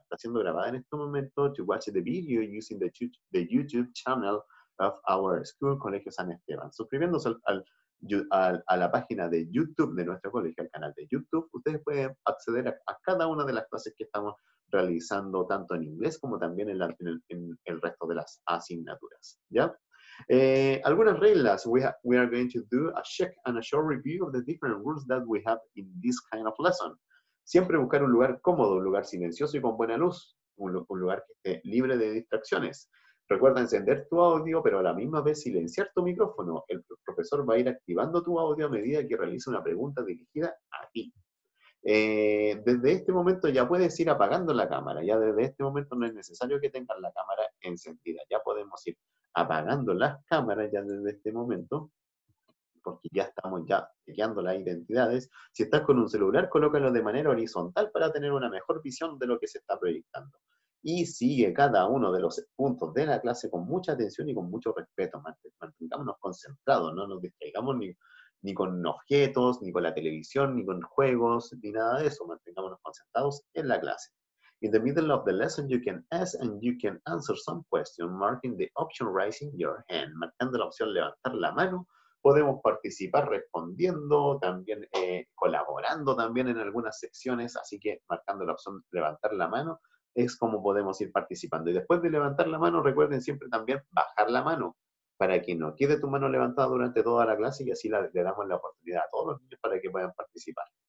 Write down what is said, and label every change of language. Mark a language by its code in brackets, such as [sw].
[es] Está siendo grabada en este momento. [en] To watch the video using the YouTube channel of our school, Colegio San Esteban. [es] Suscribiéndose a la página de YouTube de nuestro colegio, al canal de YouTube, ustedes pueden acceder a cada una de las clases que estamos realizando, tanto en inglés como también en el resto de las asignaturas. ¿Ya? Algunas reglas. [en] We are going to do a check and a short review of the different rules that we have in this kind of lesson. [es] Siempre buscar un lugar cómodo, un lugar silencioso y con buena luz, un lugar que esté libre de distracciones. Recuerda encender tu audio, pero a la misma vez silenciar tu micrófono. El profesor va a ir activando tu audio a medida que realiza una pregunta dirigida a ti. Desde este momento ya puedes ir apagando la cámara. Ya desde este momento no es necesario que tengas la cámara encendida. Ya podemos ir apagando las cámaras ya desde este momento, porque ya estamos ya chequeando las identidades. Si estás con un celular, colócalo de manera horizontal para tener una mejor visión de lo que se está proyectando. Y sigue cada uno de los puntos de la clase con mucha atención y con mucho respeto. Mantengámonos concentrados, no nos distraigamos ni con objetos, ni con la televisión, ni con juegos, ni nada de eso. Mantengámonos concentrados en la clase. [en] In the middle of the lesson, you can ask and you can answer some questions marking the option raising your hand. [es] Marcando la opción levantar la mano, podemos participar respondiendo, también colaborando también en algunas secciones. Así que marcando la opción levantar la mano es como podemos ir participando. Y después de levantar la mano, recuerden siempre también bajar la mano para que no quede tu mano levantada durante toda la clase y así le damos la oportunidad a todos los niños para que puedan participar.